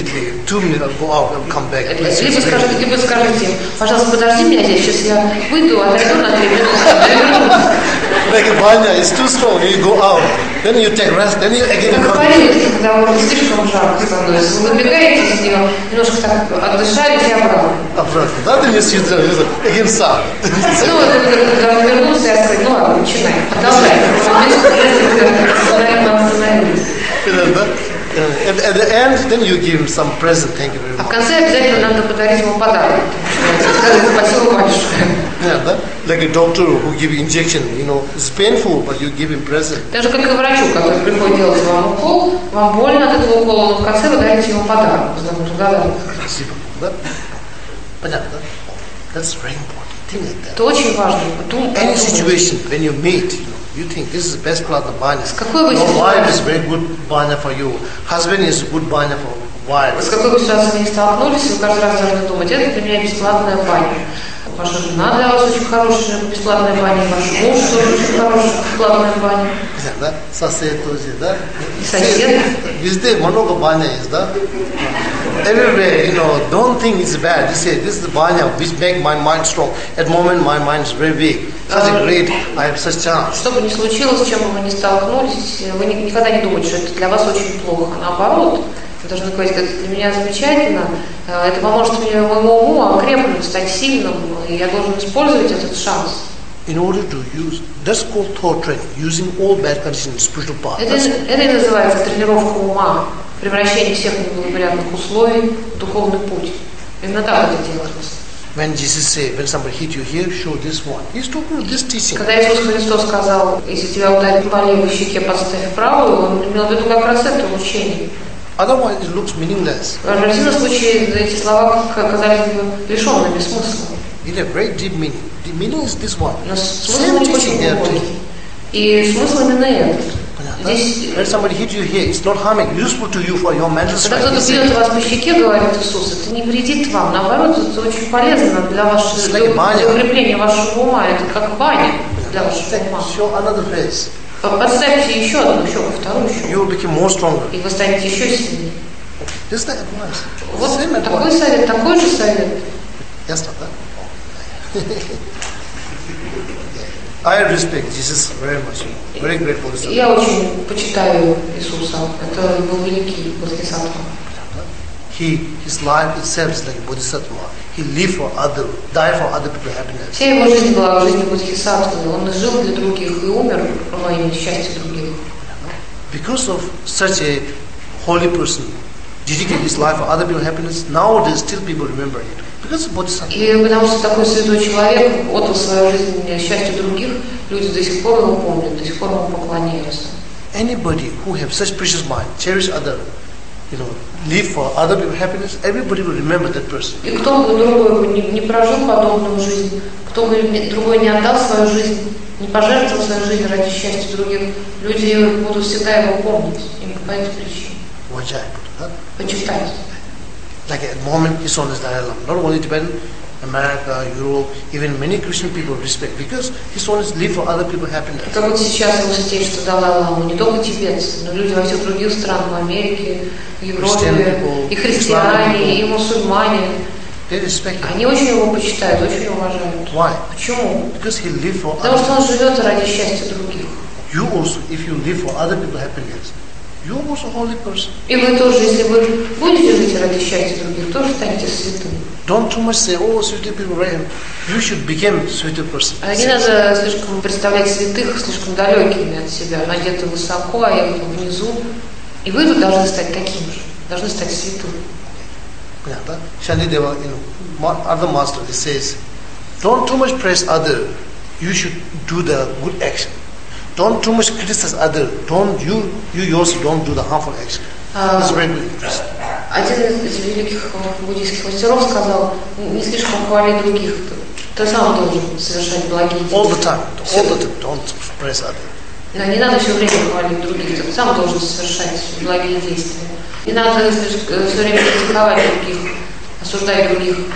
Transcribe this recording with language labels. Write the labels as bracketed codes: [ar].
[ru] Либо скажите, пожалуйста, подожди меня здесь, сейчас я выйду, отойду на 3 минуты. [en] Like a banya, it's too strong, you go out, then you take rest, then you again come. [ru] Вы говорите, когда вам слишком жарко становится, вы выбегаете из него, немножко так отдышались и обратно. Обратно, да, ты мне съедешь, я говорю, [en] again [ru] сам. Ну, вот это, когда он вернулся, я сказал, ну ладно, начинай, продолжай. Мы остановились. Да? [en] At the end, then you give him some present. Thank you very much. [ru] В конце обязательно надо подарить ему подарок. Спасибо большое. Yeah, да? [en] Like a doctor who give injection, you know, it's painful, but you give him present. [ru] Даже как и врачу, который приходит делать вам укол, вам больно от этого укола, но в конце вы дарите ему подарок. Спасибо. Да? Понятно, да? [en] That's very important. Think like that. [ru] Это очень важно. [en] Any situation when you meet, you know, you think this is the best plant of banya. [ru] С какой вы ситуации? [en] Your wife is very good banya for you. Husband is good banya for wife. [ru] С какой вы ситуации не столкнулись, и вы каждый раз должны думать, это для меня бесплатная баня. Ваша жена для вас очень хорошая бесплатная баня, ваш муж тоже очень хорошая бесплатная баня. Да? Сосед тоже, да? Сосед? Везде много баня есть, да? [en] Everywhere, you know, don't think it's bad. You say, this is the banya which makes my mind strong. At the moment, my mind is very weak. Such a great, I have such chance. [ru] Что бы ни случилось, с чем бы вы ни столкнулись, вы никогда не думаете, что это для вас очень плохо. Наоборот, вы должны говорить, это для меня замечательно. Это поможет мне моему уму окрепнуть, стать сильным. И я должен использовать этот шанс. [en] In order to use, that's called thought training, using all bad conditions in the spiritual path. [ru] Это называется тренировка ума. Превращение всех неблагоприятных условий в духовный путь. Именно так это делалось. [en] When Jesus said, when somebody hit you here, show this one. He's talking about this teaching. [ru] Когда Иисус Христос сказал, если тебя ударит по левой щеке, подставь правую, он имел в виду как раз это учение. [en] Otherwise, it looks meaningless. [ru] В противном случае эти слова казались бы лишенными смысла. [en] It has great deep meaning. The meaning is this one. [ru] Но смысл не очень глубокий. И смысл именно этот. Здесь, [en] when somebody hit you here, it's not harming, useful to you for your mental strength. [ru] Когда кто-то бьет вас по щеке, говорит Иисус, это не вредит вам, наоборот, это очень полезно для вашего [en] like [ru] для укрепления вашего ума, это как баня для вашего ума. [en] Another phrase. [ru] Подставьте еще одну щеку, вторую щеку. [en] You will become more stronger. [ru] И вы станете еще сильнее. [en] Just that advice. [ru] Вот [en] same [ru] такой [en] advice. [ru] Совет, такой же совет. Ясно, да? [en] I respect Jesus very much. Very grateful. [ru] Я очень почитаю Иисуса. Это был великий бодхисаттва. [en] His life itself is like a бодхисаттва. He lived for other, died for other people's happiness. [ru] Вся его жизнь была жизнью бодхисаттвы. Он жил для других и умер во имя счастья других. [en] Because of such a holy person, dedicated his life for other people's happiness, nowadays still people remember him. [ru] И потому что такой святой человек отдал свою жизнь счастью других, люди до сих пор его помнят, до сих пор ему поклоняются. [en] Anybody who have such precious mind, cherish other, you know, live for other people's happiness, everybody will remember that person. [ru] И кто бы другой не прожил подобную жизнь, кто бы другой не отдал свою жизнь, не пожертвовал свою жизнь ради счастья других, люди будут всегда его помнить, именно по этой причине. Уважаемый, да? Почитайте. [en] Like at the moment, he's on his Dalai Lama. Not only Tibetan, America, Europe, even many Christian people respect, because he wants to live for other people's happiness. [ru] Как вот сейчас мы слышим, что Далай Лама не только тибетцы, но люди во всех других странах, в Америке, в Европе, и христиане, и мусульмане. [en] They respect him. [ru] Они очень его почитают, очень уважают. [en] Why? [ru] Почему? [en] Because he live for [ru] Потому что он живет ради счастья других. [en] You also, if you live for other people's happiness, you also holy person. [ru] И вы тоже, если вы будете жить ради счастья других, тоже станете святым. [en] Don't too much say, oh, [ru] святые [en] people, you should become святые person. [ru] А не надо слишком представлять святых слишком далекими от себя. Она где-то высоко, а я где-то внизу. И вы тут должны стать таким же, должны стать святым. Понятно? [en] Шандидева, you know, other master, he says, don't too much praise other, you should do the good action. Don't too much criticize other, don't you, you yourself don't do the harmful action. It's very good. [ru] Один из великих буддийских мастеров сказал, не слишком хвали других, ты сам должен совершать благие действия. [en] All the time, don't praise other. [ru] Да, не надо все время хвалить других, ты сам должен совершать благие действия. Не надо все время критиковать других, осуждать других.